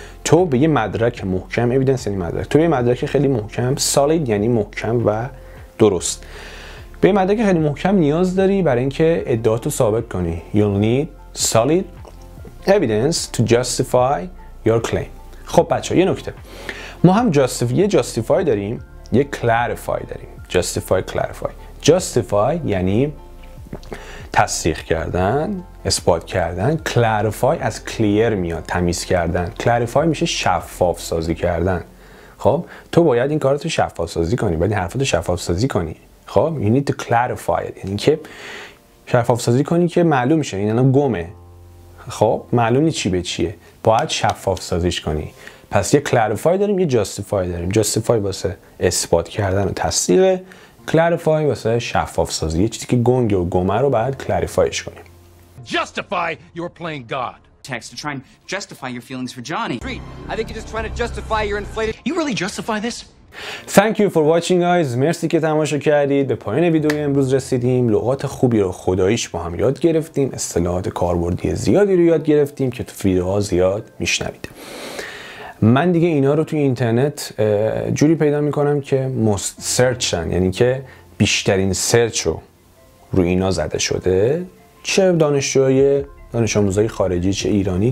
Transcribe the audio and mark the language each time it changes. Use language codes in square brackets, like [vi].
[fa] تو به یه مدرک محکم، evidence یعنی مدرک، تو به یه مدرک خیلی محکم، solid یعنی محکم و درست، به یه مدرک خیلی محکم نیاز داری برای اینکه ادعاتو ثابت کنی. [en] You'll need solid evidence to justify your claim. [fa] خب بچه ها یه نکته، ما هم justify داریم، یه clarify داریم. Justify یعنی تصدیق کردن، اثبات کردن. Clarify از clear میاد، تمیز کردن. Clarify میشه شفاف سازی کردن. خب تو باید این کارتو شفاف سازی کنی، باید این حرفتو شفاف سازی کنی. خب [en] you need to clarify it، [fa] یعنی که شفاف سازی کنی که معلوم شه این الان گمه. خب معلوم نیست چی به چیه، باید شفاف سازیش کنی. پس یه clarify داریم، یه justify داریم. justify واسه اثبات کردن و تصدیق، clarify واسه شفاف سازی، یه چیزی که گنگ و گمه رو باید clarifyش کنیم. [en] Justify your playing god. Text to try and justify your feelings for Johnny. Street. I think you're just trying to justify your inflated. You really justify this? Thank you for watching guys. [fa] مرسی که تماشا کردید. به پایان ویدیو امروز رسیدیم. لغات خوبی رو خداییش با هم یاد گرفتیم. اصطلاحات کاربردی زیادی رو یاد گرفتیم که تو ویدیوها زیاد میشنوید. من دیگه اینا رو توی اینترنت جوری پیدا میکنم که most searchن، یعنی که بیشترین سرچ رو روی اینا زده شده، چه دانشجوهای دانش آموزای خارجی چه ایرانی.